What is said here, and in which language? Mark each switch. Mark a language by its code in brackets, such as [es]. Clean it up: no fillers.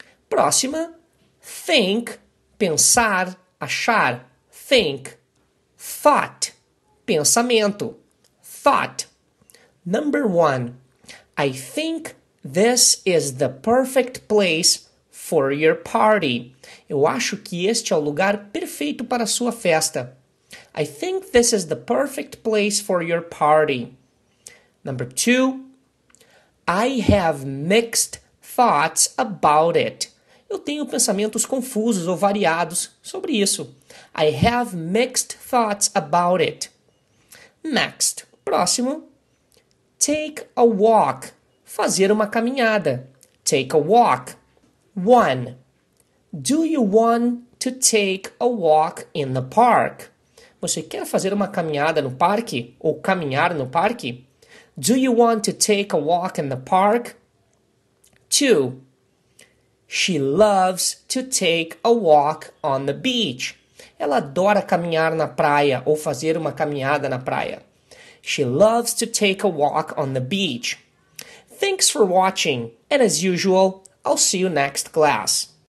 [en] Próxima. Think. [pt] Pensar. Achar. [en] Think. Thought. Pensamento. Thought. Number one. I think this is the perfect place for your party. [pt] Eu acho que este é o lugar perfeito para a sua festa. [en] I think this is the perfect place for your party. Number two. I have mixed thoughts about it. [pt] Eu tenho pensamentos confusos ou variados sobre isso. [en] I have mixed thoughts about it. Next. Próximo. Take a walk. [pt] Fazer uma caminhada. [en] Take a walk. 1. Do you want to take a walk in the park? [pt] Você quer fazer uma caminhada no parque ou caminhar no parque? [en] Do you want to take a walk in the park? 2. She loves to take a walk on the beach. [pt] Ela adora caminhar na praia ou fazer uma caminhada na praia. [en] She loves to take a walk on the beach. Thanks for watching. And as usual, I'll see you next class.